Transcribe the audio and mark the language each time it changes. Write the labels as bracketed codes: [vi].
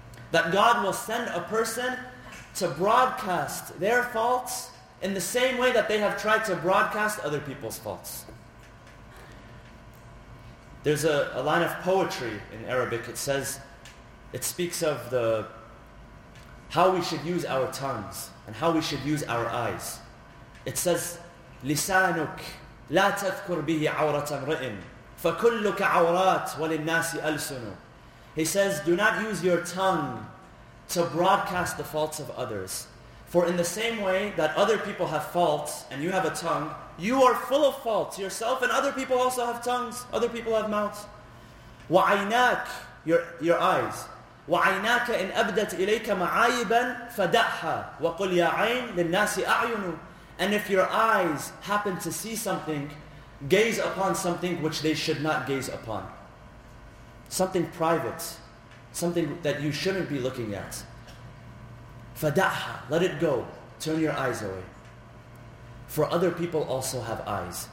[en] That God will send a person to broadcast their faults in the same way that they have tried to broadcast other people's faults. There's a line of poetry in Arabic. It says, it speaks of the how we should use our tongues and how we should use our eyes. It says, [ar] لسانك لا تذكر به عورة امرئ فكلك عورات وللناس ألسن. [en] He says, do not use your tongue to broadcast the faults of others. For in the same way that other people have faults and you have a tongue, you are full of faults yourself, and other people also have tongues, other people have mouths. [ar] وعيناك, [en] your eyes. [ar] وعيناك إن أبدت إليك معايبا فدعها وقل يا عين للناس أعينوا. [en] And if your eyes happen to see something, gaze upon something which they should not gaze upon. Something private, something that you shouldn't be looking at. [ar] فدعها, [en] let it go, turn your eyes away. For other people also have eyes.